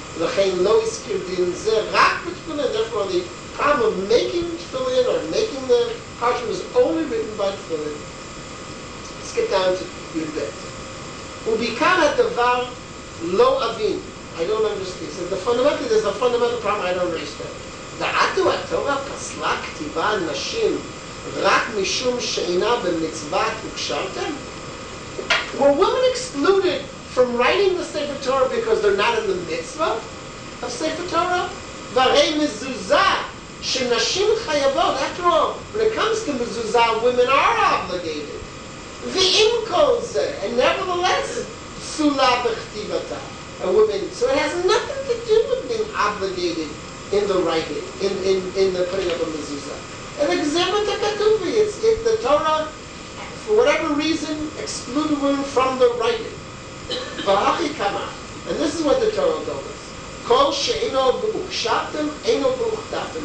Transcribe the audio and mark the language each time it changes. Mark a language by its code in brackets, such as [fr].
[he] L'chein lo iskir din zeh rak b'tfilin, [en] therefore the problem of making tefillin or making the parchment is only written by tefillin. Let's get down to Yudbet. [he] Ubikar ha-davar lo avin. [en] I don't understand. So there's a fundamental problem I don't understand. [he] דעתו התורה פסלה כתיבה על נשים רק משום שאינה במצוות הוקשרתם? [en] Were women excluded from writing the Sefer Torah because they're not in the mitzvah of Sefer Torah? [he] והרי מזוזה שנשים חייבות, [en] after all, when it comes to מזוזה, women are obligated. [he] ואם כל זה, [en] and nevertheless, [he] פסולה בכתיבתה. [en] A woman, so it has nothing to do with being obligated in the writing, in the putting up of the mezuzah. And examine the ketubi, if the Torah, for whatever reason, excluded women from the writing. V'achi kama, and this is what the Torah told us. [he] Kol she'eno b'ukshatim, eno b'ukhtatim.